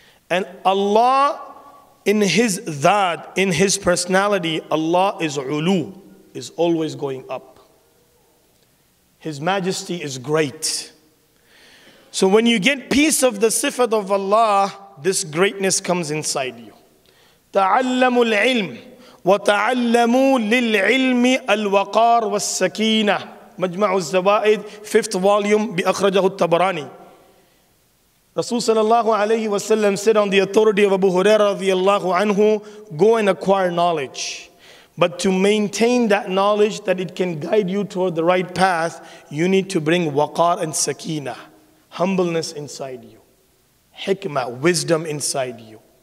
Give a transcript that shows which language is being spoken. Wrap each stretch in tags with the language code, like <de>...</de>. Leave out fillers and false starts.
<en>And Allah in His dhat, in His personality, Allah is ulu, is always going up. His majesty is great. So when you get peace of the sifat of Allah, this greatness comes inside you.</en> <ar>تَعَلَّمُوا الْعِلْمِ وَتَعَلَّمُوا لِلْعِلْمِ الْوَقَارُ وَالسَّكِينَةِ مَجْمَعُ الزَّوَائِدِ</ar> <en>5th volume</en> <ar>بِأَخْرَجَهُ الطَّبَرَانِي.</ar> <en>Rasul sallallahu alayhi wa sallam said on the authority of Abu Huraira radiallahu anhu, go and acquire knowledge. But to maintain that knowledge that it can guide you toward the right path, you need to bring waqar and sakina, humbleness inside you, hikmah, wisdom inside you.</en>